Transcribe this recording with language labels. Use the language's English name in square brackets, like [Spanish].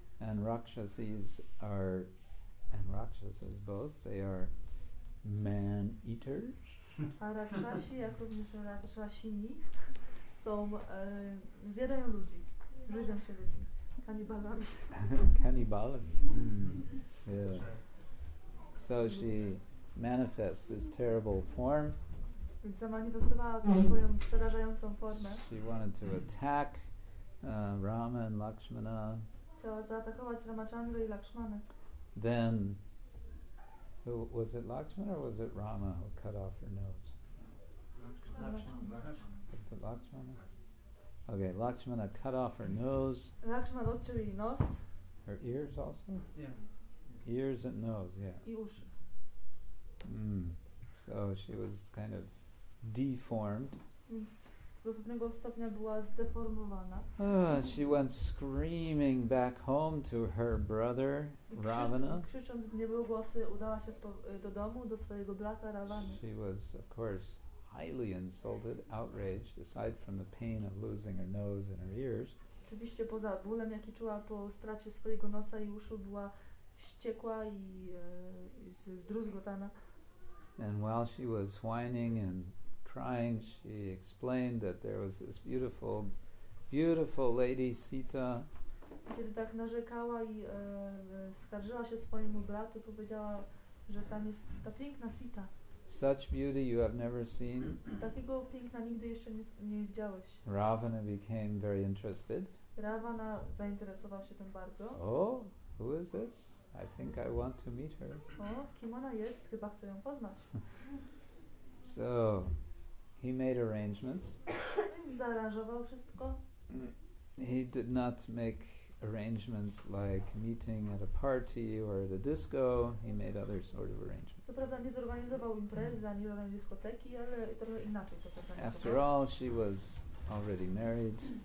[English] And rakshasis are, and rakshasas both, they are man eaters. [Polish] A rakshasi, jak również rakshasini, są zjadają ludzi, żywią się ludźmi, kanibalami. Kanibalami. Yeah. [English] So she manifests this terrible form. [Polish] Więc zamanifestowała tą swoją przerażającą formę. [English] She wanted to attack Rama and Lakshmana. [Polish] Chciała zaatakować Ramachandra i Lakshmana. [English] Then, was it Lakshmana or was it Rama who cut off her nose? Lakshmana. Was it Lakshmana? Okay, Lakshmana cut off her nose. [Polish] Lakshmana odcięł jej nos. [English] Her ears also? Yeah. Ears and nose, yeah. [Polish] I uszy. [English] So she was kind of deformed. [Polish] Więc do pewnego stopnia była zdeformowana. [English] She went screaming back home to her brother, Ravana. [Polish] Krzycząc w niebogłosy, udała się do domu, do swojego brata, Ravana. [English] She was, of course, highly insulted, outraged, aside from the pain of losing her nose and her ears. [Polish] Oczywiście poza bólem, jaki czuła po stracie swojego nosa i uszu, była wściekła i zdruzgotana. [English] And while she was whining and crying, she explained that there was this beautiful, beautiful lady Sita. [Polish] Kiedy tak narzekała i skarżyła się swojemu bratu, powiedziała, że tam jest ta piękna Sita. [English] Such beauty you have never seen. [Polish] Takiego piękna nigdy jeszcze nie widziałeś. [English] Ravana became very interested. [Polish] Ravana zainteresował się tym bardzo. [English] Oh, who is this? I think I want to meet her. [Polish] O, kim ona jest? Chyba chcę ją poznać. [English] So he made arrangements. [Polish] Zaaranżował wszystko. [English] He did not make arrangements like meeting at a party or at a disco. He made other sort of arrangements. [Polish] Co prawda nie zorganizował imprezy ani żadnej dyskoteki, ale trochę inaczej to zorganizował. [English] After all, she was already married.